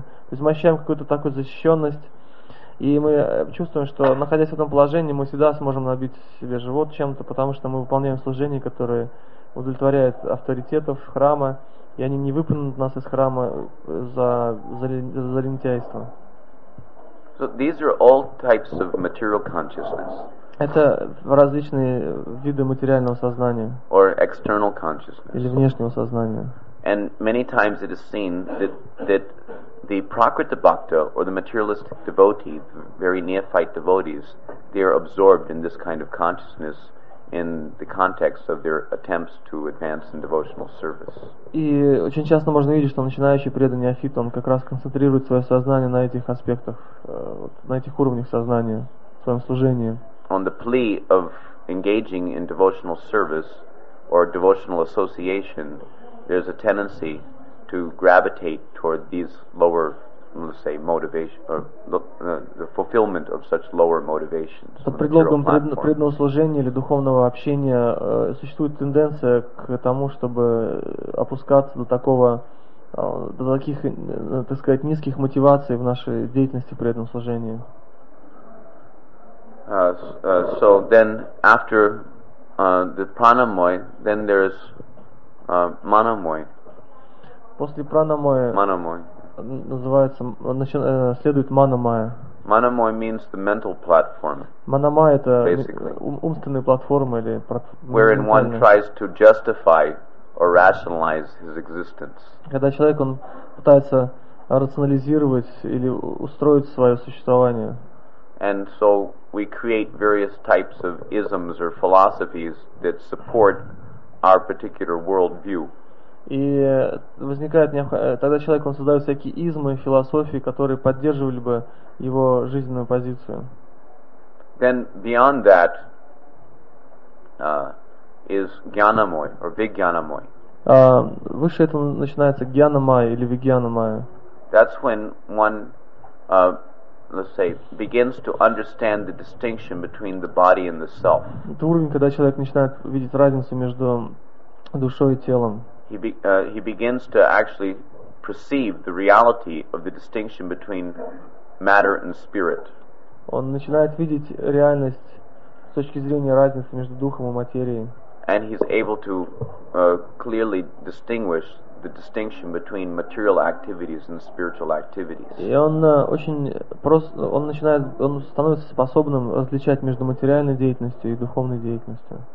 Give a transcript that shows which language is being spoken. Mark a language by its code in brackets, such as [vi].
[ru] То есть мы ощущаем какую-то такую защищенность, и мы чувствуем, что находясь в этом положении, мы всегда сможем набить себе живот чем-то, потому что мы выполняем служение, которое удовлетворяет авторитетов храма, и они не выпнут нас из храма за лентяйство. [en] So these are all types of material consciousness. [ru] Это различные виды материального сознания. [en] Or external consciousness. [ru] Или внешнего сознания. [en] And many times it is seen that the Prakriti Bhakta or the materialistic devotee, very neophyte devotees, they are absorbed in this kind of consciousness in the context of their attempts to advance in devotional service. [ru] И очень часто можно видеть, что начинающий преданный неофит, он как раз концентрирует свое сознание на этих аспектах, на этих уровнях сознания в своем служении. [en] On the plea of engaging in devotional service or devotional association, there's a tendency to gravitate toward these lower, let's say, the fulfillment of such lower motivations. [ru] Под предлогом преданного служения или духовного общения существует тенденция к тому, чтобы опускаться до такого до таких, так сказать, низких мотиваций в нашей деятельности при этом служении. [en] So then after the pranamoy, then there is manamoy. [ru] После пранамоя. [en] Manamoy. [ru] Называется, следует манамая. [en] Manamoy means the mental platform. [ru] Манамая — это умственная платформа или [en] wherein one tries to justify or rationalize his existence. [ru] Когда человек он пытается рационализировать или устроить свое существование. [en] And so we create various types of isms or philosophies that support our particular worldview. [ru] И возникает тогда человек он создает всякие измы, философии, которые поддерживали бы его жизненную позицию. [en] Then beyond that is gyanamoy or vigyanamoy. [ru] Выше этого начинается гьянамай или вигьянамай. [en] That's when one let's say begins to understand the distinction between the body and the self. [ru] Это уровень, когда человек начинает видеть разницу между душой и телом. [en] He begins to actually perceive the reality of the distinction between matter and spirit. [ru] Он начинает видеть реальность с точки зрения разницы между духом и материей. [en] And he's able to clearly distinguish the distinction between material activities and spiritual activities. [ru] И он очень просто, он начинает, он становится способным различать между материальной деятельностью и духовной деятельностью.